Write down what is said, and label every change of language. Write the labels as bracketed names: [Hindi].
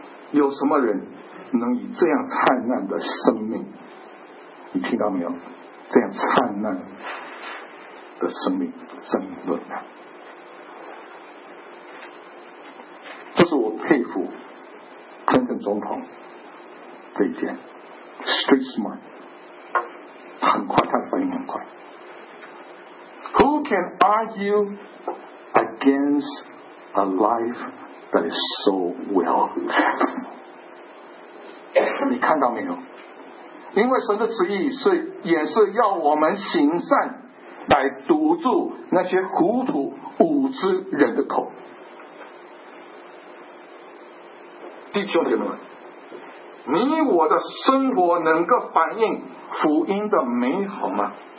[Chinese] 有什么人能以这样灿烂的生命，你听到没有，这样灿烂的生命争论呢？这是我佩服 Clinton 总统这一点， Street Smart， 很快，他的反应很快。 [English] Who can argue against a life that is so well lived？ [Chinese] 你看到没有？因为神的旨意是也是要我们行善，来堵住那些糊涂无知人的口。弟兄姐妹们，你我的生活能够反映福音的美好吗？